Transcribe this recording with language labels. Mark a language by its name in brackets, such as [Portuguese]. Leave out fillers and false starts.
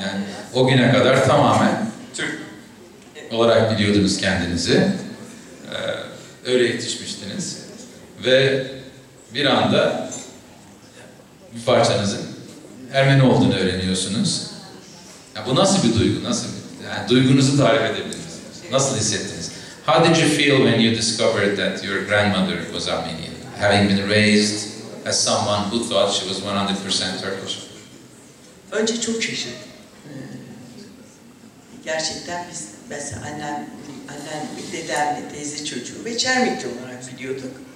[Turkish] Yani o güne kadar tamamen Türk olarak biliyordunuz kendinizi. Öyle yetişmiştiniz. Ve bir anda bir parçanızın Ermeni olduğunu öğreniyorsunuz. Ya bu nasıl bir duygu? Yani duygunuzu tarif edebilir misiniz? Nasıl hissettiniz? [English] How did you feel when you discovered that your grandmother was Armenian, having been raised as someone who thought she was 100% Turkish? [Turkish] Önce çok şaşırdım. Gerçekten biz mesela annem, dedemle teyze çocuğu ve Çermikli olarak biliyorduk.